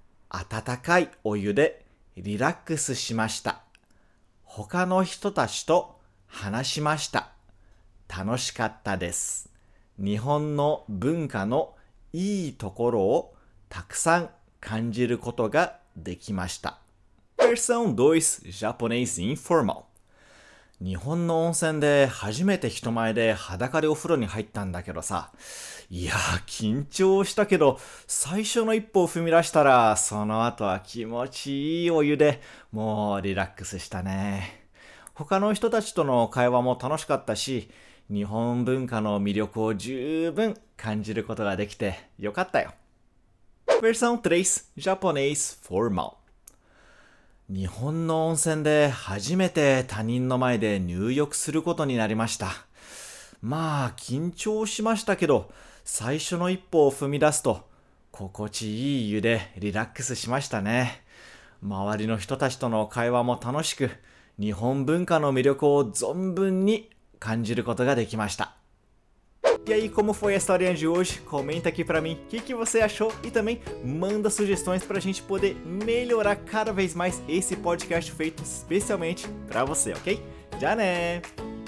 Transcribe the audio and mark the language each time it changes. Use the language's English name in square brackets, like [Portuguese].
[Japanese] 温かいお湯でリラックスしました。他の人たちと話しました。楽しかったです。日本の文化のいいところをたくさん感じることができました。 [Portuguese] Versão 2, [English] Japanese informal. [Japanese] 日本の温泉で初めて人前で裸でお風呂に入ったんだけどさ。いや、緊張したけど、最初の一歩を踏み出したら、その後は気持ちいいお湯で、もうリラックスしたね。他の人たちとの会話も楽しかったし、日本文化の魅力を十分感じることができてよかったよ。 [Portuguese] Versão 3, [English] Japanese formal. [Japanese] 日本の温泉で初めて他人の前で入浴することになりました。まあ、緊張しましたけど、最初の一歩を踏み出すと、心地いい湯でリラックスしましたね。周りの人たちとの会話も楽しく、日本文化の魅力を存分に感じることができました。 [Portuguese] E aí, como foi a historinha de hoje? Comenta aqui pra mim o que, que você achou e também manda sugestões pra gente poder melhorar cada vez mais esse podcast feito especialmente pra você, ok? Já né!